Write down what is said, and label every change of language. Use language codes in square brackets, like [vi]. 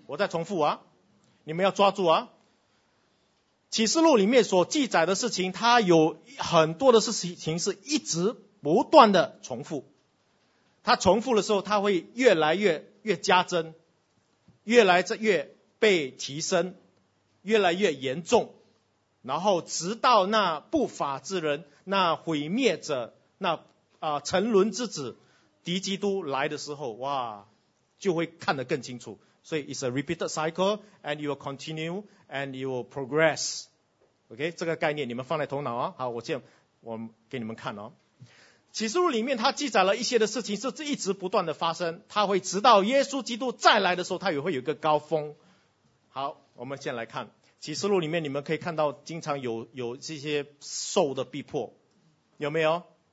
[zh] 我再重复啊，你们要抓住啊，启示录里面所记载的事情，他有很多的事情是一直不断的重复，他重复的时候他会越来越加增，越来越被提升，越来越严重，然后直到那不法之人，那毁灭者，那沉沦之子敌基督来的时候，哇，就会看得更清楚。 [en] 所以 it's a repeated cycle and you will continue and you will progress. [zh] OK, 这个概念你们放在头脑啊。好，我这样我给你们看哦。启示录里面它记载了一些的事情是一直不断的发生，它会直到耶稣基督再来的时候它也会有一个高峰。好，我们先来看启示录里面，你们可以看到经常有这些兽的逼迫，有没有？